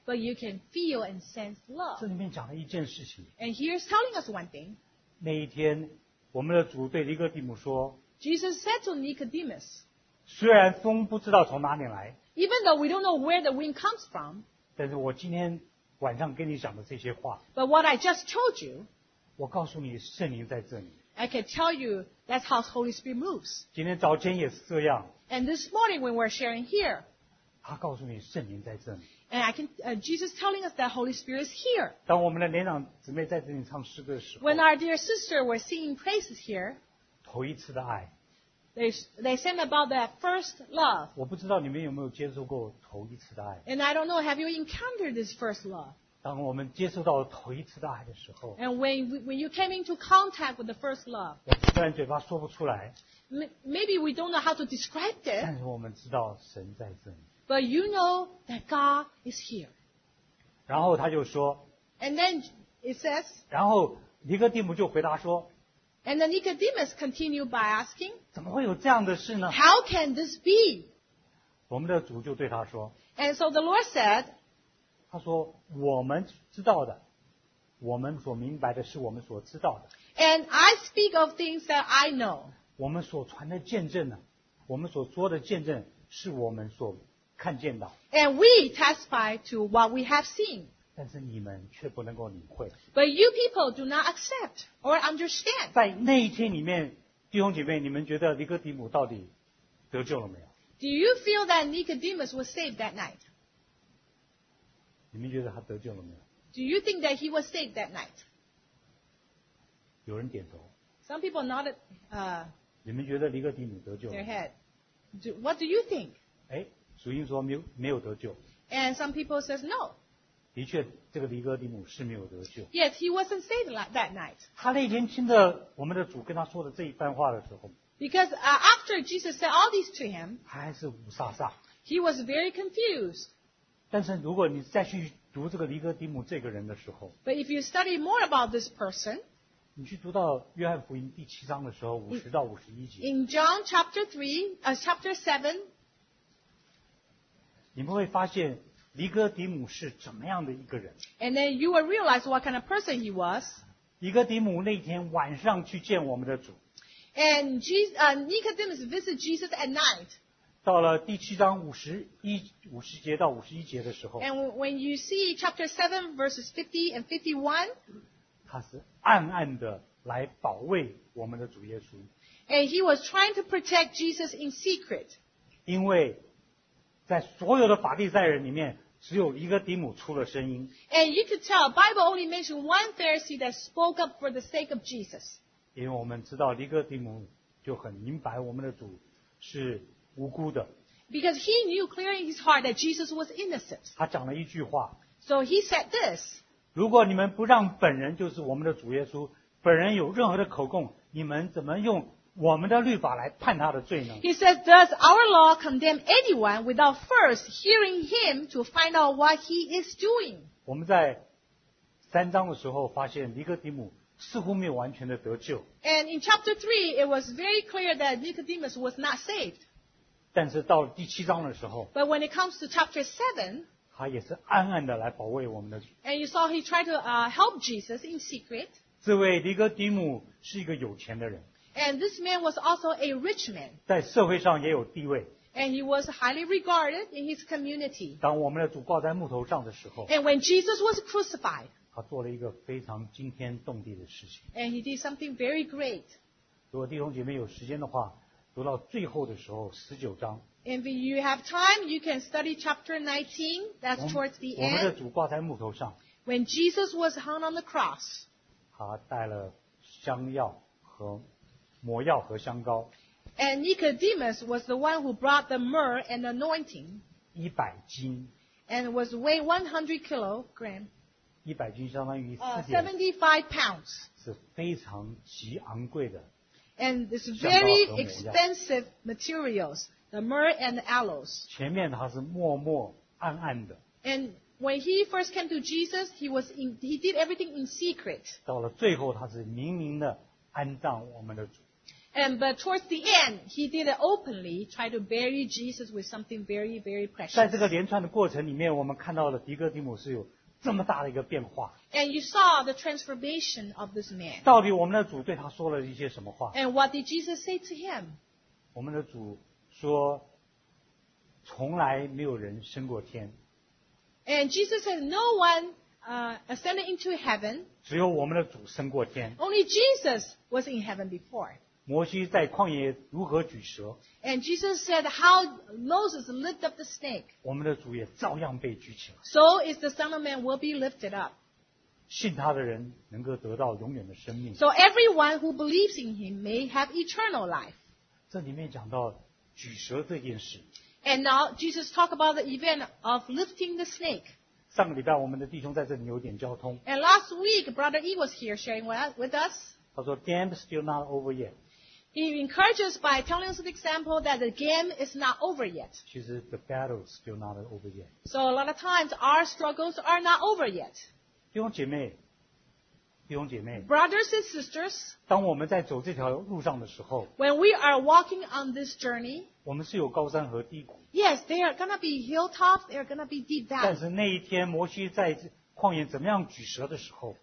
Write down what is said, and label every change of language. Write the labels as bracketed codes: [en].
[en] But you can feel and sense love. [zh] 这里面讲了一件事情。 [en] And here's telling us one thing. [zh] 那一天，我们的主对尼哥底母说。 [en] Jesus said to Nicodemus. [zh] 虽然风不知道从哪里来。 [en] Even though we don't know where the wind comes from. [zh] 但是我今天晚上跟你讲的这些话。 [en] But what I just told you. [zh] 我告诉你，圣灵在这里。 [en] I can tell you that's how the Holy Spirit moves. [zh] 今天早间也是这样。 [en] And this morning when we're sharing here, [zh] 他告诉你圣灵在这里。 [en] And I can, Jesus telling us that Holy Spirit is here. [zh] 当我们的连长姊妹在这里唱诗歌的时候。 [en] When our dear sister were singing praises here, [zh] 头一次的爱。 [en] They sang about that first love. [zh] 我不知道你们有没有接受过头一次的爱。 [en] And I don't know, have you encountered this first love? [zh] 当我们接受到头一次的爱的时候 [en] ，and when you came into contact with the first love， [zh] 我虽然嘴巴说不出来 [en] ，maybe we don't know how to describe it， [zh] 但是我们知道神在这里 [en] ，but you know that God is here。 [zh] 然后他就说 [en] ，and then it says， [zh] 然后尼哥底母就回答说 [en] ，and then Nicodemus continued by asking， [zh] 怎么会有这样的事呢 [en] ？How can this be？ [zh] 我们的主就对他说 [en] ，and so the Lord said。 [zh] 他说我们知道的我们所明白的是我们所知道的 [en] And I speak of things that I know [zh] 我们所传的见证呢我们所说的见证是我们所看见的 [en] And we testify to what we have seen [zh] 但是你们却不能够领会 [en] But you people do not accept or understand [zh] 在那一天里面弟兄姐妹你们觉得尼哥底母到底得救了没有 [en] Do you feel that Nicodemus was saved that night? [zh] 你们觉得他得救了没有 [en] ？Do you think that he was saved that night? [zh] 有人点头。 [en] Some people nodded. [zh] 你们觉得尼哥底母得救了 [en] ？Their head. What do you think? [zh] 哎，属灵说没有得救。 [en] And some people says no. [zh] 的确，这个尼哥底母是没有得救。 [en] Yes, he wasn't saved that night. [zh] 他那天听着我们的主跟他说的这一番话的时候。 [en] Because after Jesus said all these to him. [zh] 他还是五傻傻。 [en] He was very confused. [zh] 但是如果你再去读这个尼哥底母这个人的时候 [en] But if you study more about this person [zh] 你去读到约翰福音第七章的时候五十到五十一节 [en] In John chapter 3 chapter 7 [zh] 你们会发现尼哥底母是怎么样的一个人 [en] And then you will realize what kind of person he was [zh] 尼哥底母那天晚上去见我们的主。 [en] And Jesus, Nicodemus visited Jesus at night. [zh] 到了第七章五十一五十节到五十一节的时候。 [en] And when you see chapter 7 verses 50 and 51, [zh] 他是暗暗的来保卫我们的主耶稣。 [en] And he was trying to protect Jesus in secret. [zh] 因为在所有的法利赛人里面，只有一个底母出了声音。 [en] And you could tell, Bible only mentioned one Pharisee that spoke up for the sake of Jesus. [zh] 因为我们知道尼哥底母就很明白我们的主是无辜的。 [en] Because he knew clearly in his heart that Jesus was innocent. [zh] 他讲了一句话。 [en] So he said this. [zh] 如果你们不让本人，就是我们的主耶稣，本人有任何的口供，你们怎么用我们的律法来判他的罪呢？ [en] He says, does our law condemn anyone without first hearing him to find out what he is doing? [zh] 我们在三章的时候发现尼哥底母似乎没有完全的得救。 [en] And in chapter 3, it was very clear that Nicodemus was not saved. [zh] 但是到了第七章的时候， [en] But when it comes to chapter 7, [zh] 他也是暗暗的来保卫我们的。 [en] And you saw he tried to help Jesus in secret. [zh] 这位尼哥底母是一个有钱的人。 [en] And this man was also a rich man. [zh] 在社会上也有地位。 [en] And he was highly regarded in his community. [zh] 当我们的主挂在木头上的时候， [en] And when Jesus was crucified, [zh] 他做了一个非常惊天动地的事情。 [en] And he did something very great. [zh] 如果弟兄姐妹有时间的话，读到最后的时候，十九章。 [en] If you have time, you can study chapter 19. That's towards the end. [zh] 我们的主挂在木头上。 [en] When Jesus was hung on the cross, [zh] 他带了香药和抹药和香膏。 [en] And Nicodemus was the one who brought the myrrh and anointing. [zh] 100斤。 [en] And was weigh 100 kilograms. [zh] 100斤相当于 [en] 75 pounds. [zh] 是非常极昂贵的。 [en] And this very expensive materials, the myrrh and the aloes. [zh] 前面他是默默暗暗的。 [en] And when he first came to Jesus, he did everything in secret. [zh] 到了最后，他是明明的安葬我们的主。 [en] But towards the end, he did it openly, try to bury Jesus with something very, very precious. [zh] 在这个连串的过程里面，我们看到了尼哥底母是有这么大的一个变化。 [en] And you saw the transformation of this man. [zh] 到底我们的主对他说了一些什么话？ [en] And what did Jesus say to him? [zh] 我们的主说，从来没有人升过天。 [en] And Jesus said, no one ascended into heaven. [zh] 只有我们的主升过天。 [en] Only Jesus was in heaven before. [zh] 摩西在旷野如何举蛇？ [en] And Jesus said how Moses lifted up the snake. [zh] 我们的主也照样被举起来。 [en] So is the Son of Man will be lifted up. [zh] 信他的人能够得到永远的生命。 [en] So everyone who believes in him may have eternal life. [zh] 这里面讲到举蛇这件事。 [en] And now Jesus talked about the event of lifting the snake. [zh] 上个礼拜我们的弟兄在这里有点交通。 [en] And last week Brother E was here sharing with us. [zh] 他说 [en] game still not over yet. He encourages by telling us an example that the game is not over yet. The battle is still not over yet. So a lot of times our struggles are not over yet. [zh] 弟兄姐妹，弟兄姐妹。 [en] Brothers and sisters. [zh] 当我们在走这条路上的时候。 [en] When we are walking on this journey. [zh] 我们是有高山和低谷。 [en] Yes, they are going to be hilltops. They are going to be deep down. [zh] 但是那一天摩西在旷野怎么样举蛇的时候，